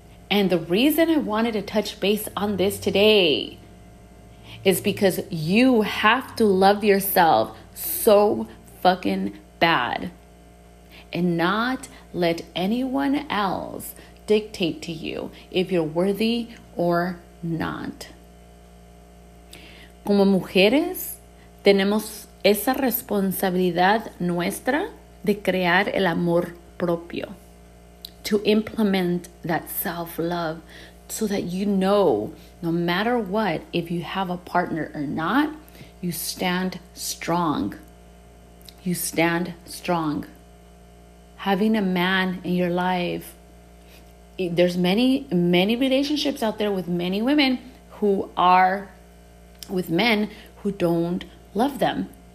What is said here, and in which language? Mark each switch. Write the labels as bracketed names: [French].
[English] And the reason I wanted to touch base on this today is because you have to love yourself so fucking bad and not let anyone else dictate to you if you're worthy or not. [Spanish] Como mujeres, tenemos esa responsabilidad nuestra de crear el amor propio. [English] To implement that self-love so that you know, no matter what, if you have a partner or not, you stand strong. You stand strong. Having a man in your life, there's many, many relationships out there with many women who are with men who don't love them.